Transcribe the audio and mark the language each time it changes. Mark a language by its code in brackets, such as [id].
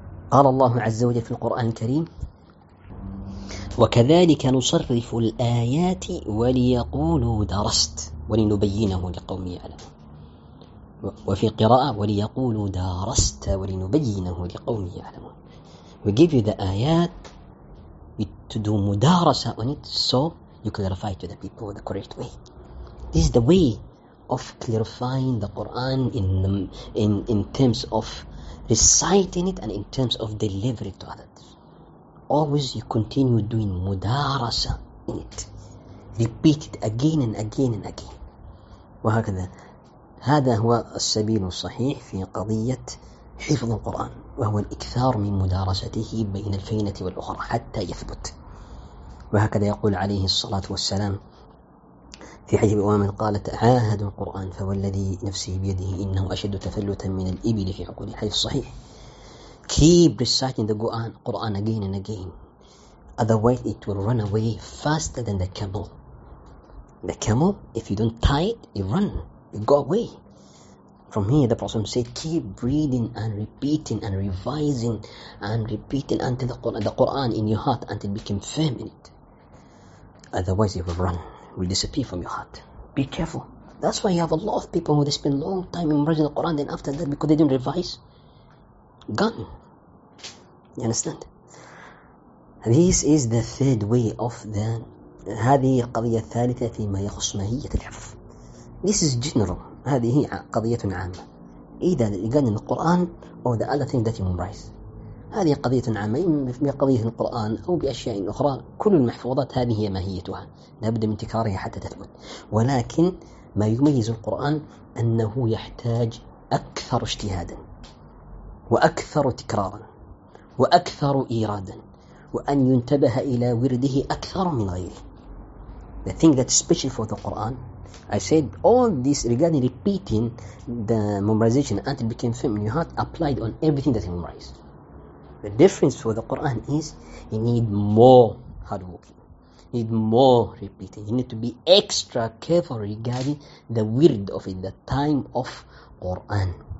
[ar] قال الله عز وجل في القرآن الكريم: وكذلك نصرف الآيات وليقولوا درست ولنبينه لقوم يعلمون. وفي قراءة: وليقولوا درست ولنبينه لقوم يعلمون. [en] We give you the ayat to do mudarasa on it so you clarify to the people the correct way. This is the way of clarifying the Quran in terms of reciting it and in terms of delivering it to others. Always you continue doing mudarasa in it. Repeat it again and again and again. [ar] وهكذا هذا هو السبيل الصحيح في قضية حفظ القرآن، وهو الإكثار من مدارسته بين الفينة والأخرى حتى يثبت. وهكذا يقول عليه الصلاة والسلام في حديث أمام قال: تعاهد القرآن فوالذي نفسه بيده إنه أشد تفلتا من الإبل في عقول. الحديث صحيح. [en] Keep reciting the Quran again and again. Otherwise it will run away faster than the camel. The camel, if you don't tie it, you run, you go away. From here the Prophet said, keep reading and repeating and revising and repeating until the Quran in your heart until it became firm in it. Otherwise it will run. Will disappear from your heart. Be careful. That's why you have a lot of people who they spend a long time memorizing the Quran, then after that, because they didn't revise, gone. You understand? This is the third way of the. [ar] هذه قضية ثالثة فيما يخص ماهية الحفظ. [en] This is general. [ar] هذه قضية عامة. إذا قلنا القرآن [en] or the other thing that you memorize. [ar] هذه قضية عامة في قضية القرآن أو بأشياء أخرى. كل المحفوظات هذه هي ماهيتها، نبدأ من تكرارها حتى تثبت. ولكن ما يميز القرآن أنه يحتاج أكثر اجتهادا وأكثر تكرارا وأكثر إيرادا، وأن ينتبه إلى ورده أكثر من غيره. [en] The thing that's special for the Quran, I said all this regarding repeating the memorization until it became firm in your heart applied on everything that you memorize. The difference for the Quran is you need more hard work, you need more repeating, you need to be extra careful regarding the word of it, the time of Quran.